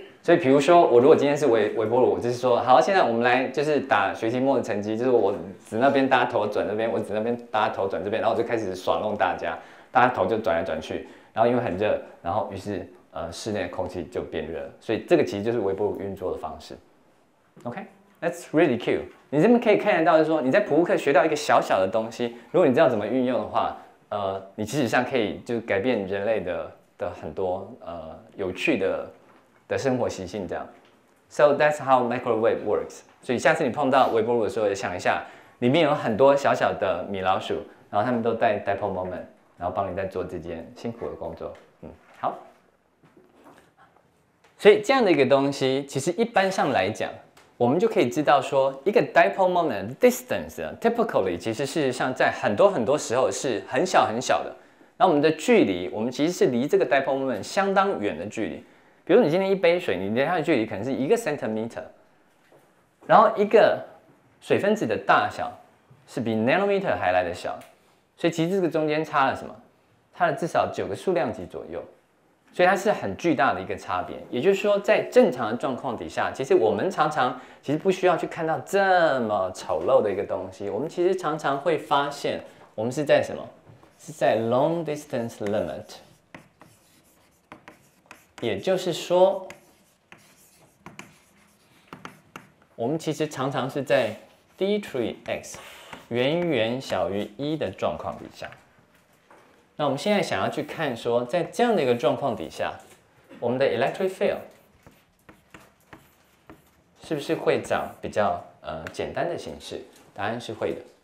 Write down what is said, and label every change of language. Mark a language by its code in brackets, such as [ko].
[zh] 所以比如说我如果今天是微波炉，我就是说好，现在我们来就是打学期末的成绩，就是我指那边大家头转那边，我指那边大家头转这边，然后我就开始耍弄大家，大家头就转来转去，然后因为很热，然后于是室内的空气就变热，所以这个其实就是微波炉运作的方式。 [en] OK, that's really cool。 [zh] 你这边可以看得到，就是说你在普物课学到一个小小的东西，如果你知道怎么运用的话，你其实上可以就改变人类的很多有趣的生活习性这样。 [en] So that's how microwave works。 [zh] 所以下次你碰到微波炉的时候，也想一下里面有很多小小的米老鼠，然后他们都在 dipole moment， 然后帮你在做这件辛苦的工作。好，所以这样的一个东西，其实一般上来讲，我们就可以知道说一个 dipole moment distance typically 其实事实上在很多很多时候是很小很小的。那我们的距离，我们其实是离这个 dipole moment 相当远的距离。比如你今天一杯水，你离它的距离可能是一个 centimeter， 然后一个水分子的大小是比 nanometer 还来的小，所以其实这个中间差了什么？差了至少九个数量级左右，所以它是很巨大的一个差别。也就是说，在正常的状况底下，其实我们常常其实不需要去看到这么丑陋的一个东西，我们其实常常会发现，我们是在什么？是在 long distance limit。也就是说，我们其实常常是在 d3x 远远小于一的状况底下。那我们现在想要去看说，在这样的一个状况底下，我们的 electric field 是不是会长比较简单的形式？答案是会的。